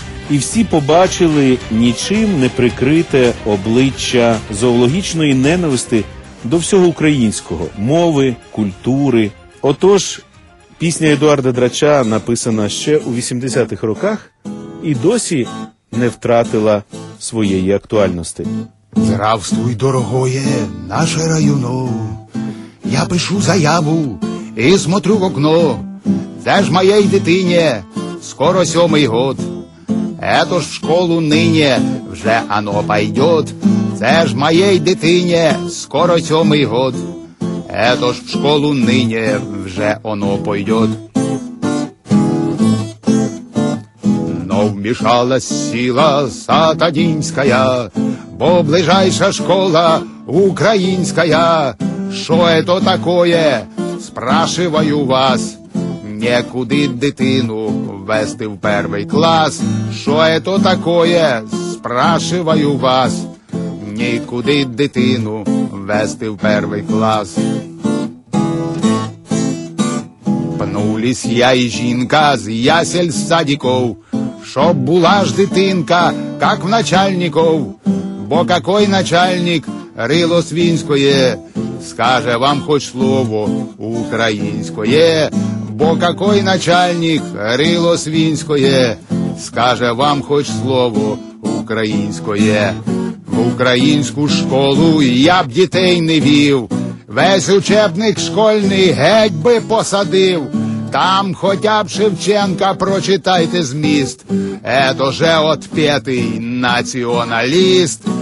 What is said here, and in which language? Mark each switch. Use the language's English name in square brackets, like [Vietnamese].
[Ukrainian] І всі побачили нічим не прикрите обличчя зоологічної ненависти до всього українського – мови, культури. Отож, пісня Едуарда Драча написана ще у 80-х роках і досі не втратила своєї актуальності. [Russian] Здравствуй, дорогоє, наше районо. Я пишу заяву і смотрю в окно. Де ж моєй дитині скоро 7-й год? Ето ж в школу нині вже оно пойдет. Це ж моєй дитині скоро 7-й год. Ето ж в школу нині вже оно пойдет. [Ukrainian] Но вмішалась сила сатанінська, бо ближайша школа українська. Що [Russian] это такое, спрашиваю вас. [Ukrainian] Некуди дитину ввести в перший клас. Що [Russian] это такое, спрашиваю вас. [Ukrainian] Нікуди дитину ввести в перший клас. Пнулись я і жінка з ясель з садіков, щоб була ж дитинка, як в начальників. [Russian] Бо какой начальник рило свинское, [Ukrainian] скаже вам хоч слово українське. [Russian] Бо какой начальник рило свинское, [Ukrainian] скаже вам хоч слово українське. В українську школу я б дітей не вів, весь учебник школьний геть би посадив. Там хоча б Шевченка прочитайте зміст, [Russian] ето же отпетий [Ukrainian] націоналіст.